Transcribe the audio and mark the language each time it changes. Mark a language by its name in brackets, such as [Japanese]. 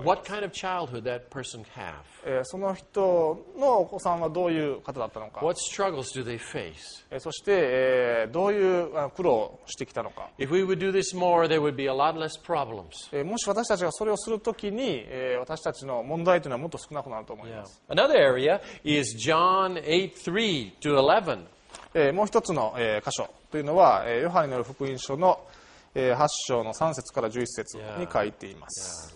[English] What kind of childhood that person have? [Japanese] その人のお子さんはどういう方だったのか。 [English] What struggles do they face? [Japanese] そして、どういう苦労をしてきたのか。 [English] If we would do this more, there would be a lot less problems. [Japanese] もし私たちがそれをするときに、私たちの問題というのはもっと少なくなると思います。 [English] Yeah. Another area is John 8:3-11. [Japanese] もう一つの、箇所というのは、ヨハネの福音書の8章の3節から11節に書いています。